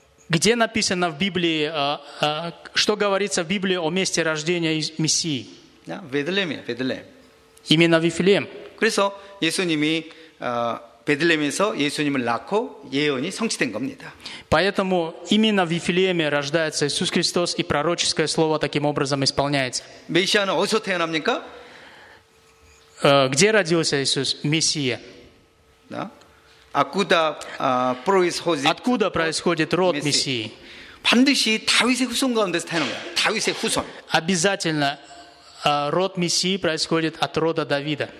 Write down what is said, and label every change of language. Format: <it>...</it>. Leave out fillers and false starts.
<ru>Где написано в Библии, что говорится в Библии о месте рождения Мессии? Ветлеем, Ветлеем. Именно в Вифлеем.</ru> <ko>그래서 예수님이 베들레헴에서 예수님을 낳고 예언이 성취된 겁니다.</ko> <ru>Поэтому именно в Вифлееме рождается Иисус Христос и пророческое слово таким образом исполняется.</ru> <ko>메시아는 어디서 태어납니까?</ko> <ru>Где родился Иисус, Мессия? 나? 아쿠다 프로이스호지. Откуда происходит род Мессии?</ru> <ko>반드시 다윗의 후손 가운데서 태어난 거야. 다윗의 후손.</ko> <ru>Обязательно род Мессии происходит от рода Давида.</ru>